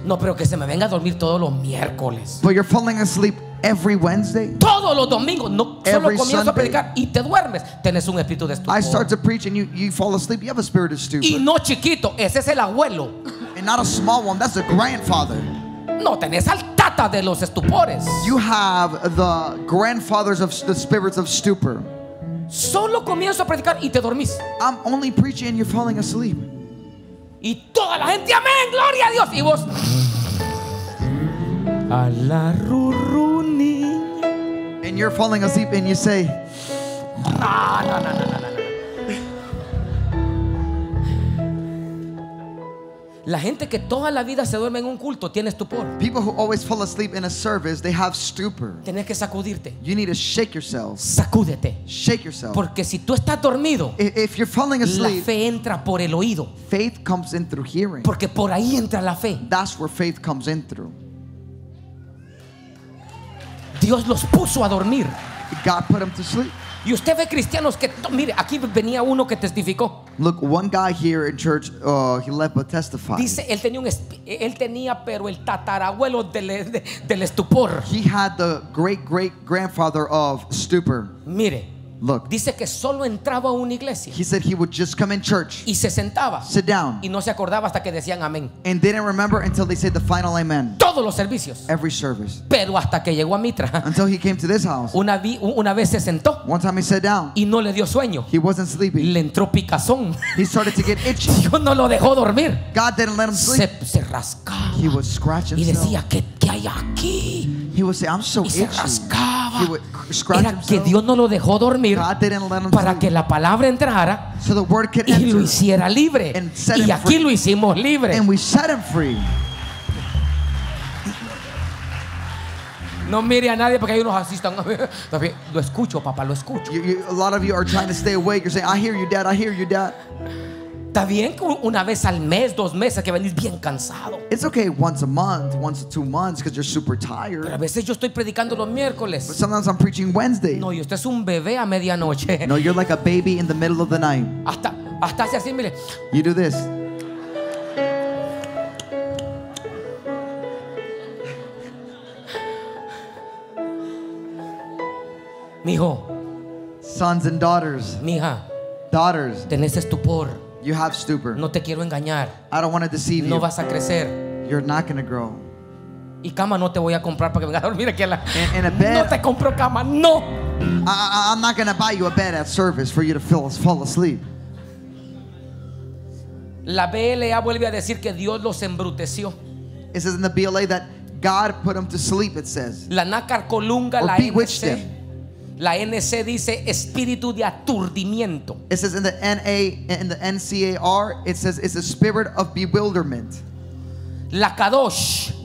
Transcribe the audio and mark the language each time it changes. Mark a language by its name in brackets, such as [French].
[Spanish] No, pero que se me venga a dormir todos los miércoles. [English] But you're falling asleep every Wednesday. [Spanish] Todos los domingos. No, solo comienzo [English] Sunday. [Spanish] A predicar y te duermes. Tienes un espíritu de estupor. [English] I start to preach and you fall asleep. You have a spirit of stupor. [Spanish] Y no chiquito, ese es el abuelo. [English] And not a small one, that's a grandfather. [Spanish] No, tenés al tata de los estupores. [English] You have the grandfathers of the spirits of stupor. [Spanish] Solo comienzo a predicar y te dormís. [English] I'm only preaching and you're falling asleep. [Spanish] Y toda la gente, amén, gloria a Dios. Y vos. A la ruruni. [English] And you're falling asleep and you say. [Spanish] La gente que toda la vida se duerme en un culto tiene estupor. [English] People who always fall asleep in a service, they have stupor. [Spanish] Tienes que sacudirte. [English] You need to shake yourself. [Spanish] Sacúdete. [English] Shake yourself. [Spanish] Porque si tú estás dormido, [English] if you're falling asleep, [Spanish] la fe entra por el oído. [English] Faith comes in through hearing. [Spanish] Porque por ahí entra la fe. [English] That's where faith comes in through. [Spanish] Dios los puso a dormir. [English] God put them to sleep. [Spanish] Y usted ve cristianos que mire, aquí venía uno que testificó. [English] Look, one guy here in church, he left but testified. [Spanish] Dice, él tenía pero el tatarabuelo del estupor. [English] He had the great great grandfather of stupor. [Spanish] Mire. [English] Look. [Spanish] Dice que solo entraba a una iglesia. [English] He said he would just come in church. [Spanish] Y se sentaba. [English] Sit down. [Spanish] Y no se acordaba hasta que decían amén. [English] And didn't remember until they said the final amen. [Spanish] Todos los servicios. [English] Every service. [Spanish] Pero hasta que llegó a Mitra. [English] Until he came to this house. [Spanish] Una vez se sentó. [English] One time he sat down. [Spanish] Y no le dio sueño. [English] He wasn't sleepy. [Spanish] Le entró picazón. [English] He started to get itchy. [Spanish] Dios no lo dejó dormir. [English] God didn't let him sleep. [Spanish] Se rascaba. [English] He was scratching himself. [Spanish] Y decía qué hay aquí. [English] He would say, I'm so itchy. [Spanish] Y se rascaba. [English] He would scratch himself. [Spanish] Era que Dios no lo dejó dormir. [English] God didn't let him [Spanish] para [English] sleep. [Spanish] Que la palabra entrara [English] so the word could [Spanish] y [English] enter [Spanish] lo hiciera libre [English] and set [Spanish] y aquí [English] free. [Spanish] Lo hicimos libre [English] and we set him free. [Spanish] No mire a nadie porque hay unos así están lo escucho papá lo escucho. [English] You, a lot of you are trying to stay awake. You're saying, I hear you dad, I hear you dad. [Spanish] Está bien una vez al mes, dos meses que venís bien cansado. [English] It's okay once a month, once or 2 months because you're super tired. [Spanish] Pero a veces yo estoy predicando los miércoles. [English] But sometimes I'm preaching Wednesday. [Spanish] No, y usted es un bebé a medianoche. [English] No, you're like a baby in the middle of the night. [Spanish] Hasta hace así, mire. [English] You do this. [Spanish] Mijo. [English] Sons and daughters. [Spanish] Mija. [English] Daughters. [Spanish] Tenés estupor. [English] You have stupor. [Spanish] No te quiero engañar. [English] I don't want to deceive [Spanish] no [English] you. [Spanish] Vas a crecer. [English] You're not going to grow. [Spanish] y cama no te voy a comprar para que vengas a dormir aquí a la no te compro cama, no. [English] I'm not going to buy you a bed at service for you to fall asleep. [Spanish] La BLA vuelve a decir que Dios los embruteció. [English] It says in the BLA that God put them to sleep, it says. [Spanish] La Nácar Colunga, la NC. La NC dice espíritu de aturdimiento. [English] It says in the NCAR, it says it's a spirit of bewilderment. [Spanish] La Kadosh.